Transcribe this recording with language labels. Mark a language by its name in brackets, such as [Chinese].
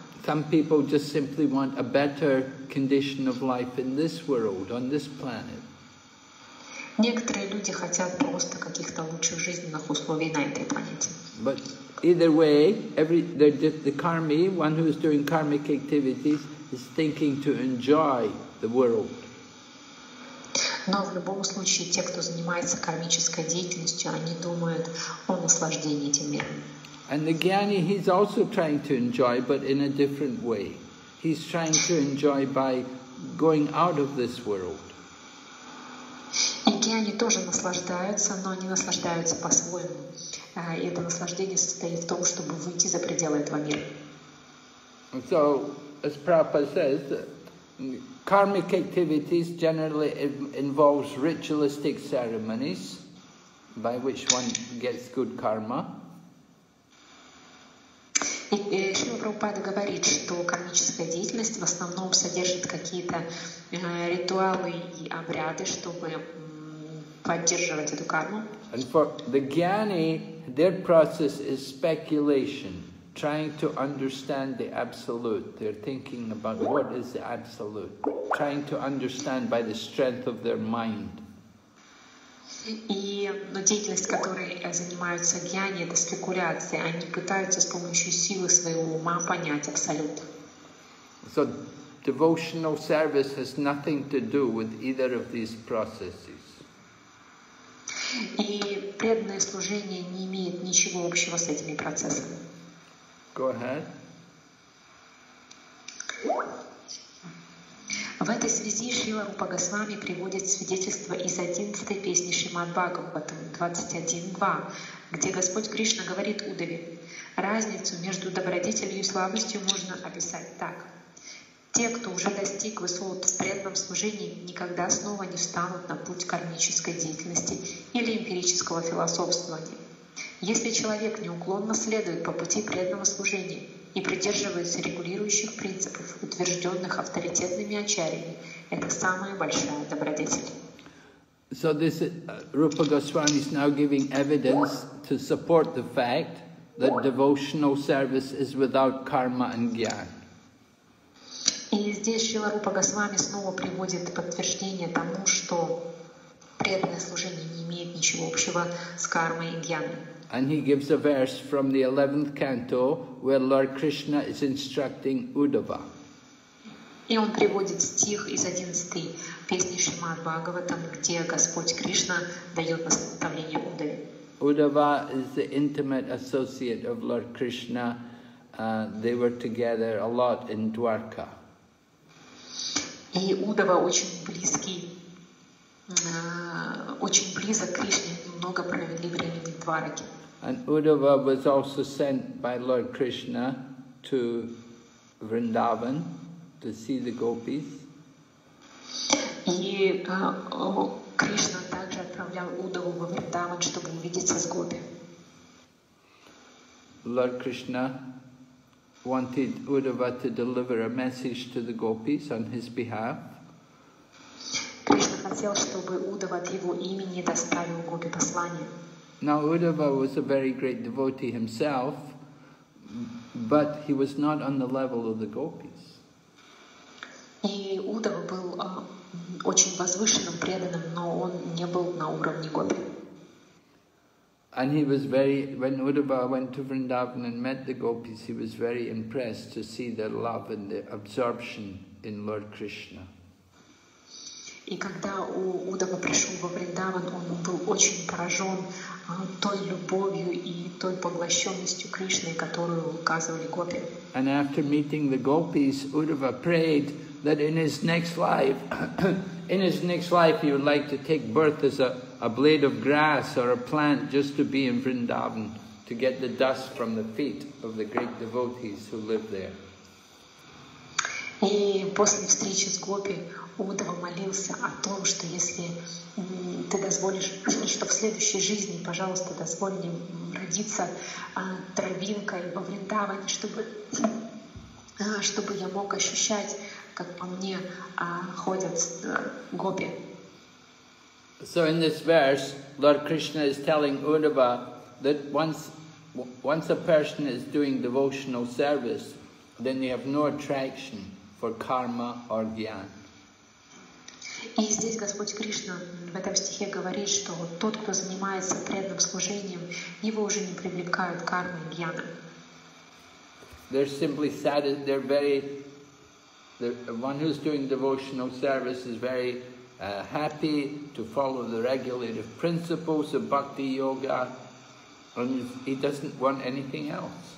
[English] Some people just simply want a better condition of life in this world, on this planet. [Russian] Некоторые люди хотят просто каких-то лучших жизненных условий на этой планете. [English] But either way, the karmi, one who is doing karmic activities, is thinking to enjoy the world. [Russian] Но в любом случае, те, кто занимается кармической деятельностью, они думают о наслаждении этим миром. [English] And the Gyani, he's also trying to enjoy, but in a different way. He's trying to enjoy by going out of this world. [Russian] И Гьяни тоже наслаждаются, но они наслаждаются по-своему. И это наслаждение состоит в том, чтобы выйти за пределы этого мира. [English] So, as Prabhupada says, karmic activities generally involves ritualistic ceremonies by which one gets good karma. [Russian] Шрила Прабхупада говорит, что кармическая деятельность в основном содержит какие-то ритуалы и обряды, чтобы поддерживать эту карму. [English] And for the Gyani, their process is speculation. Trying to understand the Absolute. They're thinking about what is the Absolute. Trying to understand by the strength of their mind. [Russian] Но деятельность, которой занимаются гьяни, это спекуляция. Они пытаются с помощью силы своего ума понять Абсолют. [English] So, devotional service has nothing to do with either of these processes. [Russian] И преданное служение не имеет ничего общего с этими процессами. [English] Go ahead. [Russian] В этой связи Шрила Рупа Госвами приводит свидетельство из 11-й песни Шримад Бхагаватам 21.2, где Господь Кришна говорит Удаве: «Разницу между добродетелью и слабостью можно описать так. Те, кто уже достиг высот в преданном служении, никогда снова не встанут на путь кармической деятельности или эмпирического философствования. Если человек неуклонно следует по пути преданного служения и придерживается регулирующих принципов, утвержденных авторитетными ачарьями, это самая большая добродетель». [English] So this Rupa Goswami is now giving evidence to support the fact that devotional service is without karma and gyan. [Russian] И здесь Шрила Рупа Госвами снова приводит подтверждение тому, что преданное служение не имеет ничего общего с кармой и гьяной. [English] And he gives a verse from the 11th canto where Lord Krishna is instructing Uddhava. [Russian] И он приводит стих из 11-й песни Шримад Бхагаватам, где Господь Кришна дает наставление Уддаве. [English] Uddhava is the intimate associate of Lord Krishna. They were together a lot in Dwarka. [Russian] И Уддава очень близок к Кришне, много провели времени в Двараке. [English] And Uddhava was also sent by Lord Krishna to Vrindavan to see the gopis. [Russian] Krishna также отправлял Уддаву во Вриндаван, чтобы увидеться с гопи. [English] Lord Krishna wanted Uddhava to deliver a message to the gopis on his behalf. [Russian] Krishna хотел, чтобы Уддава от его имени доставил гопи послание. [English] Now Uddhava was a very great devotee himself, but he was not on the level of the gopis. [Russian] И Удава был очень возвышенным преданным, но он не был на уровне гопи. [English] And he was very, when Uddhava went to Vrindavan and met the gopis, he was very impressed to see their love and their absorption in Lord Krishna. [Russian] И когда Удава пришел во Вриндаван, он был очень поражен той любовью и той поглощенностью Кришны, которую указывали гопи. [English] And after meeting the gopis, Uddhava prayed that in his next life, he would like to take birth as a blade of grass or a plant, just to be in Vrindavan, to get the dust from the feet of the great devotees who live there. [Russian] И после встречи с гопи Удава молился о том, что если ты дозволишь, что в следующей жизни, пожалуйста, дозволь мне родиться травинкой во Вриндаване, чтобы я мог ощущать, как по мне ходят гопи. [English] So in this verse, Lord Krishna is telling Uddhava that once a person is doing devotional service, then they have no attraction for karma or jnana. [Russian] И здесь Господь Кришна в этом стихе говорит, что тот, кто занимается преданным служением, его уже не привлекают карма и джняна. [English] They're simply sad. They're very. One who's doing devotional service is very happy to follow the regulative principles of bhakti yoga, and he doesn't want anything else.